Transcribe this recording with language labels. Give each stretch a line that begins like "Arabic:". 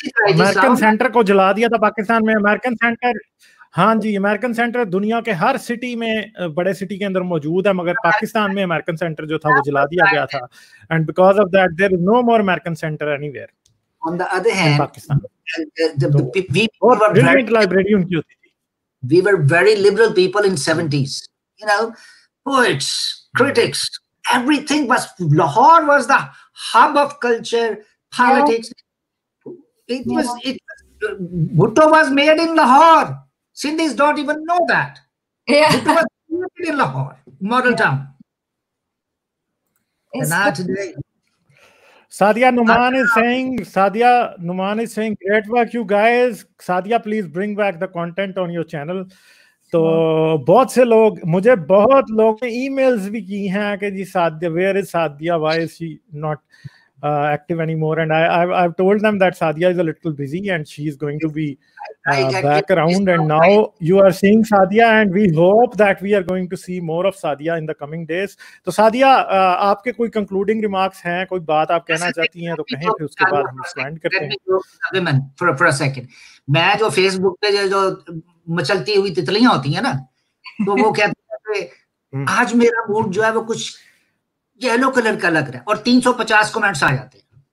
Hindi: American Center को जला दिया था पाकिस्तान में. American Center, हाँ जी, American Center दुनिया के हर city में, बड़े city के अंदर मौजूद है, मगर पाकिस्तान में American Center जो था वो जला दिया गया था.
English: And because of that, there is no more American Center anywhere. On the other hand, Pakistan. We were very liberal people in 70s. you know, poets, critics, everything was, Lahore was the hub of culture, politics. Yeah. Bhutto was made in Lahore. Sindhis don't even know that. Yeah. Bhutto was made in Lahore, model town. And now today, Sadia Numan is saying, great work, you guys. Sadia, please bring back the content on your channel.
Hindi: So, बहुत से लोग मुझे बहुत लोगों ने emails भी की हैं कि जी Sadia,
English: where is Sadia? Why is she not active anymore? And I've told them that Sadia is a little busy and she is going to be back around. And now you are seeing Sadia, and we hope that we are going to see more of Sadia in the coming days.
Hindi: So Sadia, आपके कोई
English: concluding remarks
Hindi: हैं, कोई बात आप कहना चाहती हैं तो कहें, फिर उसके बाद हम इसको end करते हैं.
English: Let me go for a second.
Hindi: मैं जो Facebook पे जो मचलती हुई तितलियां होती हैं ना, तो वो कहते हैं आज मेरा मूड जो है वो कुछ येलो कलर का लग रहा है, और 350 कमेंट्स आ जाते हैं.